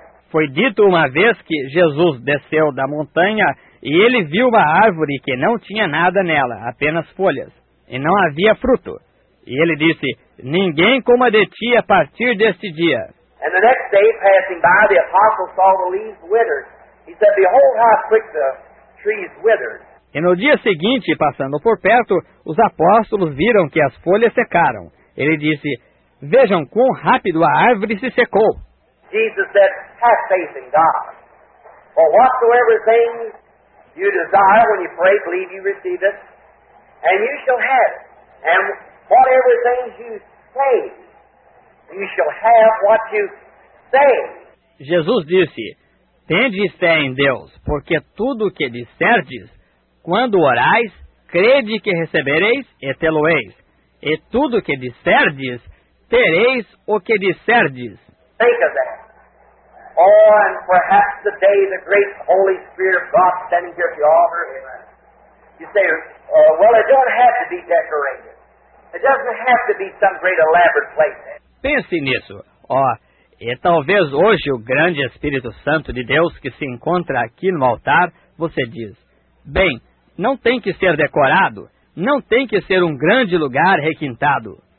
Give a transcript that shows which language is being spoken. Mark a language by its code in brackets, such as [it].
[pt] Foi dito uma vez que Jesus desceu da montanha e ele viu uma árvore que não tinha nada nela, apenas folhas, e não havia fruto. E ele disse, ninguém coma de ti a partir deste dia. [en] And the next day, passing by, the apostles saw the leaves withered. He said, behold how quick the trees withered. [pt] E no dia seguinte, passando por perto, os apóstolos viram que as folhas secaram. Ele disse, vejam quão rápido a árvore se secou. [en] Jesus said, have faith in God. For whatsoever things you desire when you pray, believe you receive it. And you shall have it. And whatever things you say, you shall have what you say. [pt] Jesus disse, tende fé em Deus, porque tudo o que disserdes, quando orais, crede que recebereis e tê-lo-eis. E tudo o que disserdes, tereis o que disserdes. [en] Think of that. Oh, and perhaps today the great Holy Spirit of God standing here at the altar, You say, well, it don't have to be decorated. It doesn't have to be some great elaborate place. [pt] Pense nisso. E talvez hoje o grande Espírito Santo de Deus que se encontra aqui no altar, você diz, bem, não tem que ser decorado, não tem que ser um grande lugar requintado.